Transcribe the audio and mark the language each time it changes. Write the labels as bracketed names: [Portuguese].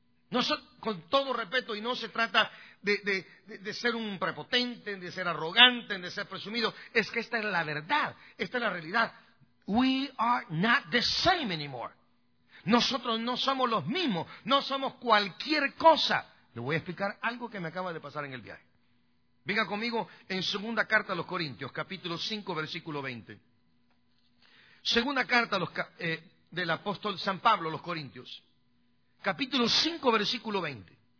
[Spanish] Nosotros, con todo respeto, y no se trata de ser un prepotente, de ser arrogante, de ser presumido, es que esta es la verdad, esta es la realidad. [English] We are not the same anymore. [Spanish] Nosotros no somos los mismos, no somos cualquier cosa. Le voy a explicar algo que me acaba de pasar en el viaje. Venga conmigo en segunda carta a los Corintios, capítulo 5, versículo 20. Segunda carta a del apóstol San Pablo a los Corintios, capítulo 5, versículo 20.